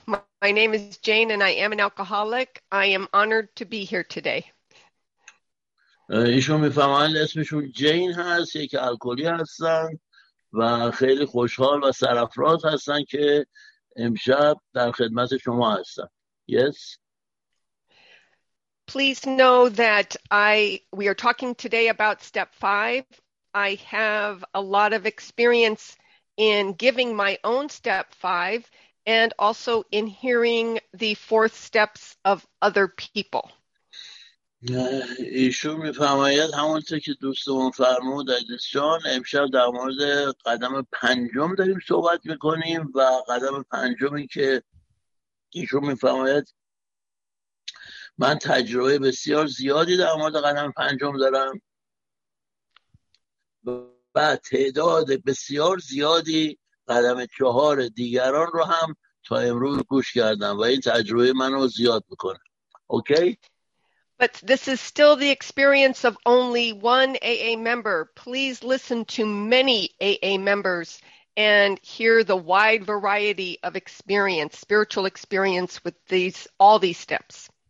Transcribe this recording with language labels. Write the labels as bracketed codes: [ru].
[en] My name is Jane and I am an alcoholic. I am honored to be here today. [fa] ایشون میفهمند اسمشون جین هست، یک الکلی هستن و خیلی خوشحال و سرفراز هستن که امشب در خدمت شما هستن. [en] Yes. Please know that we are talking today about step 5. I have a lot of experience in giving my own step 5 and also in hearing the 4th steps of other people. [fa] ایشون میفرماید همونطور که دوستمون فرمود عزیز جان، امشب در مورد قدم پنجم داریم صحبت میکنیم و قدم پنجمی که ایشون میفرماید من تجربه بسیار زیادی در مورد قدم پنجم دارم و تعداد بسیار زیادی قدم 4 دیگران رو هم تا امروز گوش کردم و این تجربه منو زیاد میکنه. اوکی؟ [en] But this is still the experience of only one AA member. Please listen to many AA members and hear the wide variety of experience, spiritual experience with all these steps.